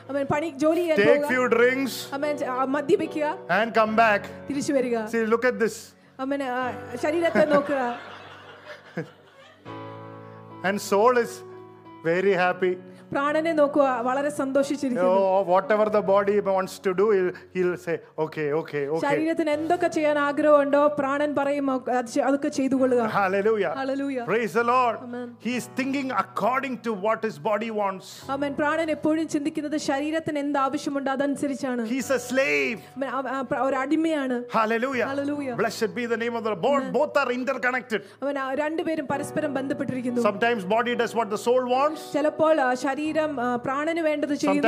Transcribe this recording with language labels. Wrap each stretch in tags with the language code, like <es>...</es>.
<ml>അവൻ പണി ജോലി ചെയ്യാൻ പോവുക.</ml> <en>Take few drinks.</en> <ml>അവൻ മദ്യപിക്കുക.</ml> <en>And come back.</en> <ml>തിരിച്ചു വരിക.</ml> <en>See, look at this.</en> <ml>അവന് ശരീരത്തെ നോക്കുക.</ml> <en>And soul is very happy.</en> <ml>പ്രാണനെ നോക്കുക, വളരെ സന്തോഷിച്ചിരിക്കുന്നു.</ml> <en>Oh, whatever the body wants to do, he'll say okay.</en> <ml>ശരീരത്തിന് എന്തൊക്കെ ചെയ്യാൻ ആഗ്രഹമുണ്ടോ പ്രാണൻ പറയും, അതൊക്കെ ചെയ്തു കൊള്ളുക.</ml> <en>Hallelujah. Hallelujah. Praise the Lord. Amen. He is thinking according to what his body wants. Amen.</en> <ml>പ്രാണൻ എപ്പോഴും ചിന്തിക്കുന്നത് ശരീരത്തിന് എന്ത് ആവശ്യമുണ്ട് അതനുസരിച്ചാണ്.</ml> <en>He is a slave.</en> <ml>ഒരു അടിമയാണ്.</ml> <en>Hallelujah. Hallelujah. Blessed be the name of the Lord. Both are interconnected.</en> <ml>അവന് രണ്ടുപേരും പരസ്പരം ബന്ധപ്പെട്ടിരിക്കുന്നു.</ml> <en>Sometimes body does what the soul wants.</en> <ml>ചിലപ്പോൾ ശരീരം പ്രാണന് വേണ്ടത് ചെയ്യുന്നു.</ml>